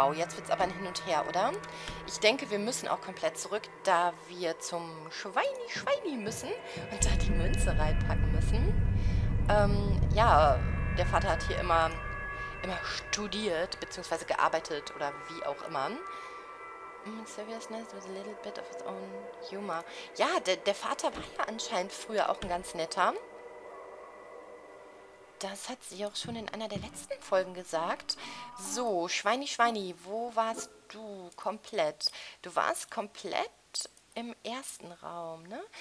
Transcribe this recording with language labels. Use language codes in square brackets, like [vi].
[de] Wow, jetzt wird es aber ein Hin und Her, oder? Ich denke, wir müssen auch komplett zurück, da wir zum Schweini-Schweini müssen und da die Münze reinpacken müssen. Ja, der Vater hat hier immer studiert, beziehungsweise gearbeitet oder wie auch immer. [en] Service nice with a little bit of his own humor. [de] Ja, der Vater war ja anscheinend früher auch ein ganz netter. Das hat sie auch schon in einer der letzten Folgen gesagt. So, Schweini, Schweini, wo warst du komplett? Du warst komplett im ersten Raum, ne?